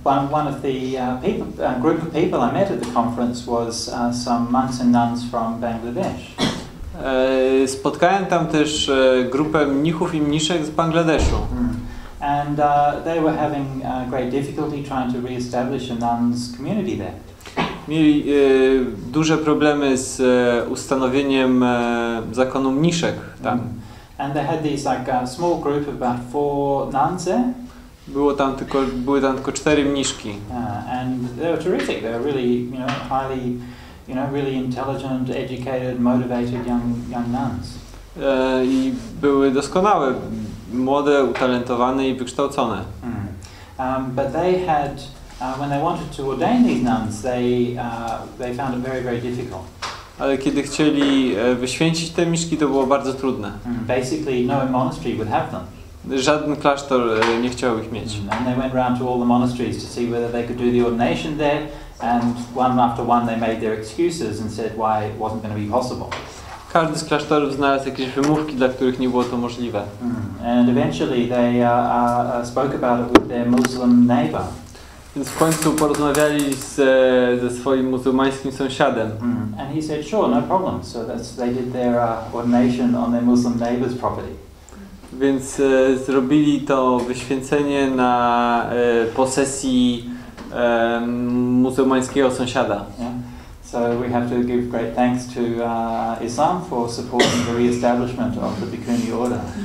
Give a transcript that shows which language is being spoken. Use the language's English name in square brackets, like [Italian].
[English] One group of people I met at the conference was some monks and nuns from Bangladesh. [Polish] Spotkałem tam też grupę mnichów i mniszek z Bangladeszu. [English] And they were having great difficulty trying to re-establish a nun's community there. [Polish] Mieli duże problemy z ustanowieniem zakonu mniszek tam. [English] And they had this like a small group of about 4 nuns there. [Polish] Były tam tylko 4 mniszki. [English] And they were terrific. They were really, highly, really intelligent, educated, motivated young nuns. [Polish] I były doskonałe, młode, utalentowane i wykształcone. [English] But they had, when they wanted to ordain these nuns, they found it very, very difficult. [Polish] Ale kiedy chcieli wyświęcić te mniszki, to było bardzo trudne. [English] Basically, no monastery would have them. [Polish] Żaden klasztor nie chciał ich mieć. [English] And they went round to all the monasteries to see whether they could do the ordination there, and one after one they made their excuses and said why it wasn't going to be possible. [Polish] Każdy z klasztorów znalazł jakieś wymówki, dla których nie było to możliwe. [English] And eventually they spoke about it with their Muslim neighbor. [Polish] Więc w końcu porozmawiali ze swoim muzułmańskim sąsiadem. [English] And he said sure, no problem. So that's they did their ordination on their Muslim neighbor's property. [Polish] Więc zrobili to wyświęcenie na posesji muzułmańskiego sąsiada. [English] Yeah. So we have to give great thanks to Islam for supporting the re-establishment of the Bikuni order.